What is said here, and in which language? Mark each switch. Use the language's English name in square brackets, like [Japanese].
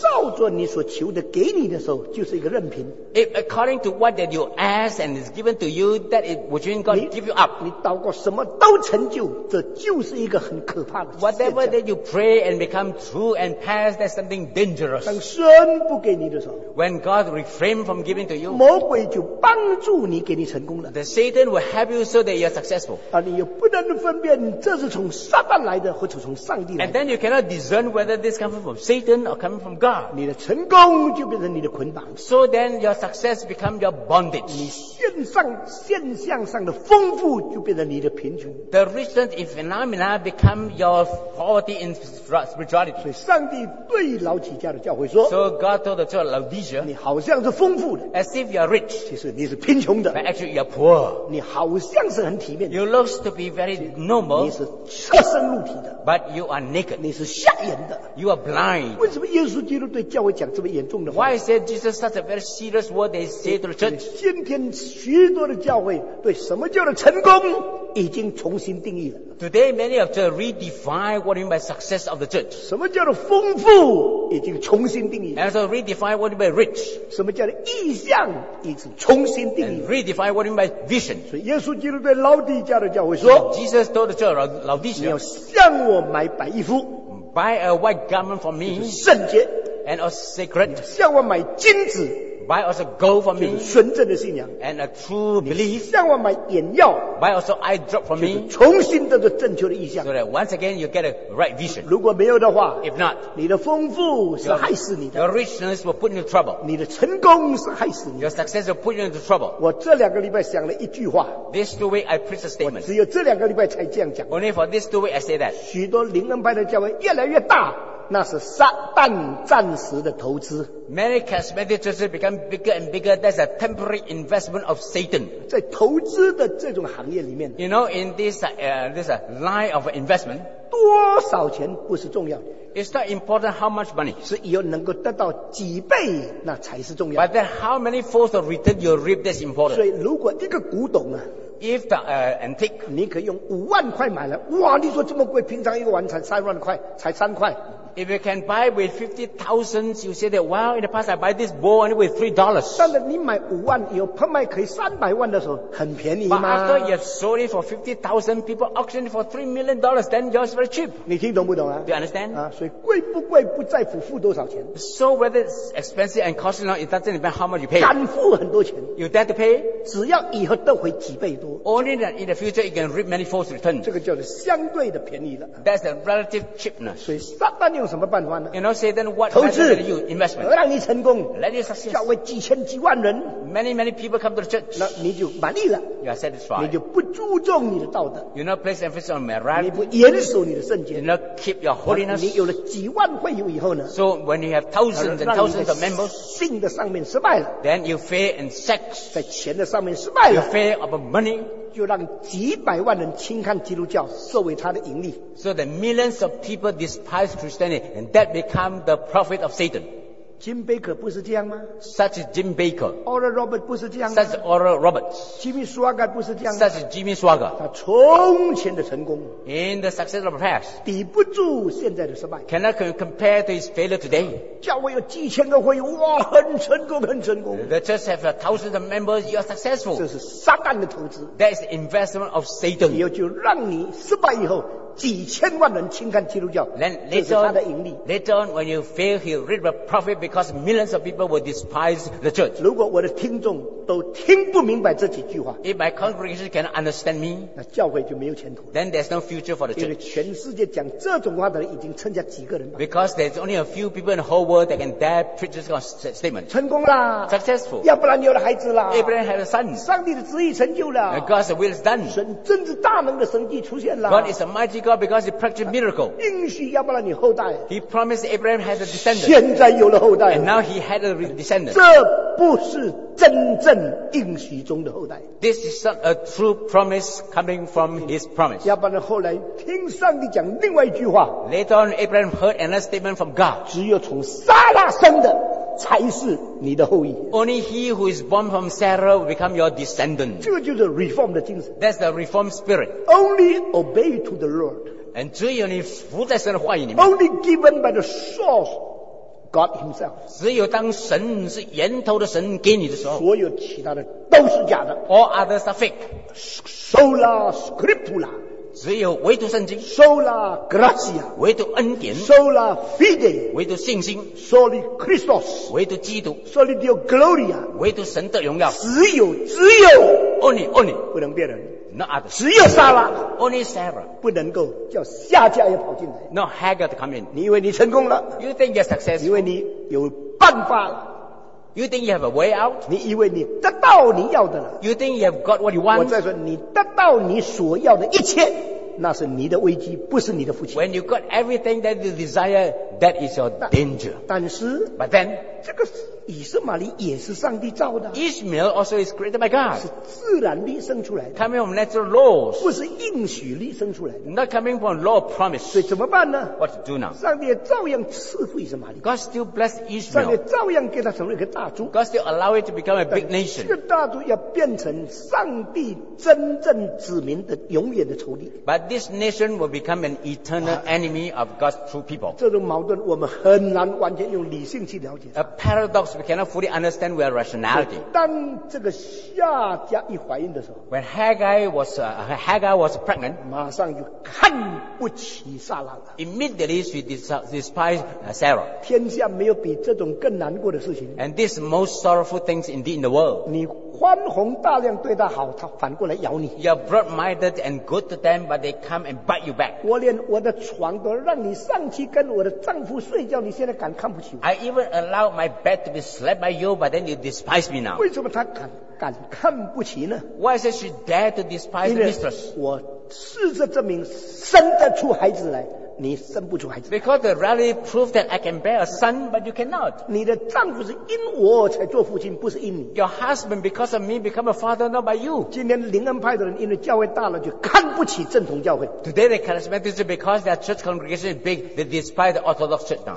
[Chinese] 照着你所求的给你的时候，就是一个任凭。 [English] If according to what that you ask and is given to you, that it would mean God give you up. [Chinese] 你祷告什么都成就，这就是一个很可怕的。 [English] Whatever that you pray and become true and pass. That's something dangerous. [Chinese] 当神不给你的时候， [English] When God refrain from giving to you, [Chinese] 魔鬼就帮助你给你成功了。 [English] The Satan will help you so that you are successful. [Chinese] 而你又不能分辨这是从撒旦来的，或者从上帝来的。 [English] And then you cannot discern whether this comes from Satan or coming from God. [Chinese] 你的成功就变成你的捆绑。 [English] So then your success becomes your bondage. [Chinese] 你现象上的丰富就变成你的贫穷。 [English] The richness in phenomena becomes your poverty in spirituality. [Chinese] 所以上帝对老底家的教会说， [English] So God told the church Laodicea, [Chinese] 你好像是丰富的， [English] As if you are rich, [Chinese] 其实你是贫穷的， [English] But actually you are poor, [Chinese] 你好像是很体面的， [English] You look to be very normal, [Chinese] 你是赤身露体的， [English] But you are naked, [Chinese] 你是瞎眼的， [English] You are blind. [Chinese] 为什么耶稣基督对教会讲这么严重的话？ [English] Why is it Jesus such a very serious word they say to the church? [Chinese] 今天许多的教会对什么叫做成功已经重新定义了。 [English] Today, many of the redefine what you mean by success of the church. [Chinese] 什么叫做丰富已经重新定义。 [English] And so redefine what you mean by rich. [Chinese] 什么叫做意象已经重新定义。 [English] And redefine what you mean by vision. [Chinese] 所以耶稣基督对老底家的教会说， [English] Jesus told the church, Laodicea, [Chinese] 你要向我买白衣服。 [English] Buy a white garment for me. [Chinese] 就是圣洁。 [English] And also sacred. [Chinese] 你向我买金子。 [English] Buy also gold for me. [Chinese] 就是纯正的信仰。 [English] And a true belief. [Chinese] 你向我买眼药。 [English] Buy also eye drop for me. [Chinese] 就是重新得到正确的意象。 [English] So that once again you get a right vision. [Chinese] 如果没有的话， [English] If not, [Chinese] 你的丰富是害死你的。 [English] Your richness will put you in trouble. [Chinese] 你的成功是害死你的。 [English] Your success will put you into trouble. [Chinese] 我这两个礼拜想了一句话。 [English] This two weeks I preach a statement. [Chinese] 我只有这两个礼拜才这样讲。 [English] Only for this two weeks I say that. [Chinese] 许多灵恩派的教会越来越大。那是撒旦暂时的投资。 [English] Many charismatic churches become bigger and bigger. That's a temporary investment of Satan. [Chinese] 在投资的这种行业里面， [English] You know, in this line of investment, [Chinese] 多少钱不是重要的。 [English] It's not important how much money. [Chinese] 是要能够得到几倍，那才是重要的。 [English] But then how many folds of return you reap, that's important. [Chinese] 所以如果一个古董啊。 [English] If the antique， [Chinese] 你可以用五万块买了，哇！你说这么贵，平常一个碗才三万块，才三块。 [English] If you can buy with 50,000, you say that, well, in the past I buy this bowl only with $3. [Chinese] 但是你买五万，有拍卖可以三百万的时候，很便宜吗 [English] ？But after you sold it for 50,000, people auction it for $3 million, then yours is very cheap. [Chinese] 你听懂不懂啊 [English] ？Do you understand？ [Chinese] 啊，所以贵不贵不在乎付多少钱。 [English] So whether it's expensive and costly or not, it doesn't depend how much you pay. [Chinese] 敢付很多钱。 [English] You dare to pay？ [Chinese] 只要以后得回几倍多。 [English] Only that in the future you can reap many fold returns. [Chinese] 这个叫做相对的便宜了。 [English] That's the relative cheapness. [Chinese] 所以撒旦用什么办法呢？ [English] You know, say then what [Chinese] 投资 [English] you investment? [Chinese] 而让你成功 [English] Let you success. [Chinese] 教会几千几万人 [English] many, many people come to the church. [Chinese] 那你就满意了 [English] You are satisfied. [Chinese] 你就不注重你的道德 [English] You not place emphasis on morality. [Chinese] 你不严守你的圣洁 [English] You not keep your holiness. [Chinese] 你有了几万会友以后呢 [English] So when you have thousands and thousands of members, [Chinese] 性的上面失败了 [English] Then you fail in sex. [Chinese] 在钱的上面失败了 [English] You fail about money. [Chinese] 就让几百万人轻看基督教作为他的盈利 [English] So the millions of people despise Christianity and that become the profit of Satan [Chinese] Jim Baker 不是这样吗 [English] Such as Jim Baker [Chinese] Oral Roberts 不是这样吗 [English] Such as Oral Roberts [Chinese] Jimmy Swaggart 不是这样吗 [English] Such as Jimmy Swaggart [Chinese] 他从前的成功 [English] In the success of the past [Chinese] 抵不住现在的失败 [English] Cannot compare to his failure today [Chinese] 教会有几千个会员，哇，很成功，很成功。 [English] The church have a thousand members, you are successful. [Chinese] 这是撒旦的投资。 [English] That is the investment of Satan. [Chinese] 以后就让你失败以后，几千万人轻看基督教。 [English] Then later, [Chinese] 这是他的盈利。 [English] Later on, when you fail, he reap a profit because millions of people will despise the church. [Chinese] 如果我的听众都听不明白这几句话 [English] ，If my congregation cannot understand me, [Chinese] 那教会就没有前途。 [English] Then there's no future for the church. [Chinese] 因为全世界讲这种话的人已经剩下几个人了。 [English] Because there's only a few people in the whole world that can dare preach this kind of statement. [Chinese] 成功啦 [English] ，successful. [Chinese] 要不然有了孩子啦 [English] ，Abraham had a son. [Chinese] 上帝的旨意成就了 [English] ，God's will is done. [Chinese] 神真是大能的神迹出现了 [English] ，God is a mighty God because he practiced miracle. [Chinese] 应许亚伯拉罕后代 [English] ，He promised Abraham has a descendant. [Chinese] 现在有了后代了 [English] ，And now he had a descendant. [Chinese] 这不是真正应许中的后代。 [English] This is not a true promise coming from his promise. [Chinese] 亚伯拉罕后来听上帝讲另外一句话。 [English] Later on, Abraham heard another statement from God. [Chinese] 只有从撒拉生的才是你的后裔。 [English] Only he who is born from Sarah will become your descendant. [Chinese] 这个就是 reform 的精神。 [English] That's the reform spirit. Only obey to the Lord. [Chinese] And 只有你服在神的话语里面。 [English] Only given by the source. God himself. [Chinese] 只有当神是源头的神给你的时候所有其他的都是假的 [English] All others are fake [Latin] Sola scriptura [Chinese] 只有唯独圣经 [Latin] Sola gratia [Chinese] 唯独恩典 [Latin] Sola fide [Chinese] 唯独信心 [Latin] Soli Christos [Chinese] 唯独基督 [Latin] Soli Deo gloria [Chinese] 唯独神的荣耀只有 [English] Only [Chinese] 不能别人 [English] Not others. [Chinese] 只有撒拉 [English] Only Sarah. [Chinese] 不能够叫夏甲也跑进来 [English] No Hagar to come in. [Chinese] 你以为你成功了 [English] You think you're successful. [Chinese] 你以为你有办法了 [English] You think you have a way out. [Chinese] 你以为你得到你要的了 [English] You think you have got what you want. [Chinese] 我再说你得到你所要的一切那是你的危机不是你的福气 [English] When you got everything that you desire, that is your danger. [Chinese] 但是 [English] But then, [Chinese] 这个以色玛利也是上帝造的。 [English] Ishmael also is created by God. [Chinese] 是自然力生出来的。 [English] Coming from natural laws. [Chinese] 不是应许力生出来的。 [English] Not coming from law of promise. [Chinese] 所以怎么办呢 [English] ?What to do now? [Chinese] 上帝也照样赐福以色玛利。 [English] God still blessed Ishmael. [Chinese] 上帝照样给他成为一个大族。 [English] God still allowed it to become a big nation. [Chinese] 这个大族要变成上帝真正子民的永远的仇敌。 [English] But this nation will become an eternal enemy of God's true people. [Chinese] 这种矛盾我们很难完全用理性去了解。 [English] A paradox we cannot fully understand with rationality. [Chinese] 当这个夏甲一怀孕的时候 [English] When Hagar was pregnant, [Chinese] 马上就看不起撒拉了。 [English] Immediately she despised Sarah. [Chinese] 天下没有比这种更难过的事情。 [English] And this most sorrowful things indeed in the world. [Chinese] 你宽宏大量对他好，他反过来咬你。 [English] You are broad-minded and good to them, but they come and bite you back. [Chinese] 我连我的床都让你上去跟我的丈夫睡觉，你现在敢看不起我 [English] ？I even allow my bed to be slept by you, but then you despise me now. [Chinese] 为什么他敢看不起呢 [English] ？Why is she dare to despise the mistress? [Chinese] 我试着证明生得出孩子来。你生不出孩子。 [English] Because the reality proved that I can bear a son, but you cannot. [Chinese] 你的丈夫是因我才做父亲，不是因你。 [English] Your husband because of me become a father, not by you. [Chinese] 今天灵恩派的人因为教会大了，就看不起正统教会。 [English] Today the charismatics because their church congregation is big, they despise the Orthodox church now.